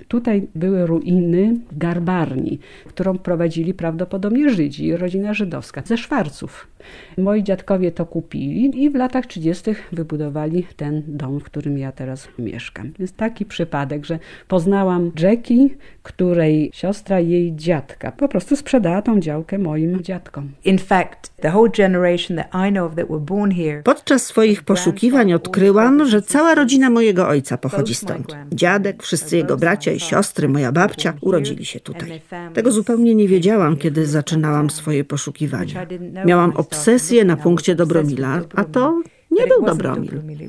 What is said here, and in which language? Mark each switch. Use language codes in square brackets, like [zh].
[pl] Tutaj były ruiny garbarni, którą prowadzili prawdopodobnie Żydzi, rodzina żydowska, ze Szwarców. Moi dziadkowie to kupili i w latach 30. wybudowali ten dom, w którym ja teraz mieszkam. Jest taki przypadek, że poznałam Jackie, której siostra jej dziadka po prostu sprzedała tą działkę moim dziadkom. [en] In fact, the whole generation that I know of that were born here. [pl] Podczas swoich poszukiwań odkryłam, że cała rodzina mojego ojca pochodzi stąd. Dziadek, wszyscy jego bracia i siostry, moja babcia urodzili się tutaj. Tego zupełnie nie wiedziałam, kiedy zaczynałam swoje poszukiwania. Miałam obsesję na punkcie Dobromila, a to nie był Dobromil.